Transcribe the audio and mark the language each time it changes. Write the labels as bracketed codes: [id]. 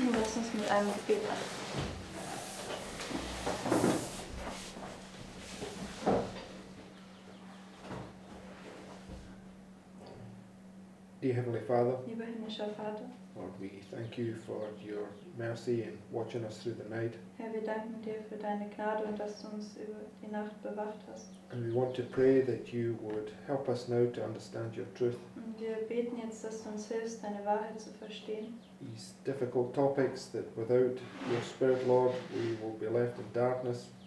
[de] Lass uns mit einem Gebet an. [en] Dear Heavenly Father, [de] lieber himmlischer Vater, [en] Lord, we thank you for your mercy in watching us through the night. [de] Herr, wir danken dir für deine Gnade und dass du uns über die Nacht bewacht hast. [en] And we want to pray that you would help us now to understand your truth. [de] Und wir beten jetzt, dass du uns hilfst, deine Wahrheit zu verstehen. [en] These difficult topics that without your Spirit, Lord, we will be left in darkness.